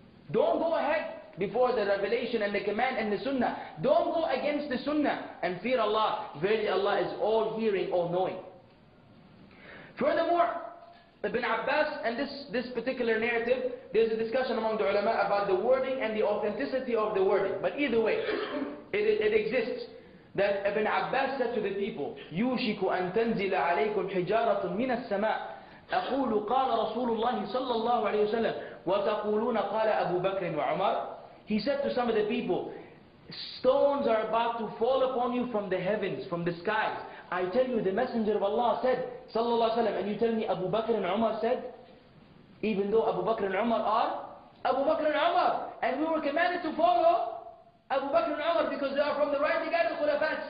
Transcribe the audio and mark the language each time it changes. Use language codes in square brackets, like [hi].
[en] Don't go ahead before the revelation and the command and the sunnah. Don't go against the sunnah and fear Allah. Verily Allah is all-hearing, all-knowing. Furthermore, Ibn Abbas, and this particular narrative, there's a discussion among the ulama about the wording and the authenticity of the wording. But either way, it exists that Ibn Abbas said to the people, [ar] يُوشِكُ أَن تَنْزِلَ عَلَيْكُمْ حِجَارَةٌ مِّنَ السَّمَاءِ أَقُولُ قَالَ رَسُولُ اللَّهِ صَلَّى اللَّهُ عَلَيْهِ وَسَلَّمَ وَتَقُولُونَ قَالَ أَبُو بَكْرٍ وَعُمَرٍ. [en] He said to some of the people, stones are about to fall upon you from the heavens, from the skies. I tell you, the Messenger of Allah said, sallallahu alayhi wa sallam, and you tell me Abu Bakr and Umar said, even though Abu Bakr and Umar are Abu Bakr and Umar, and we were commanded to follow Abu Bakr and Umar because they are from the rightly guided khulafa.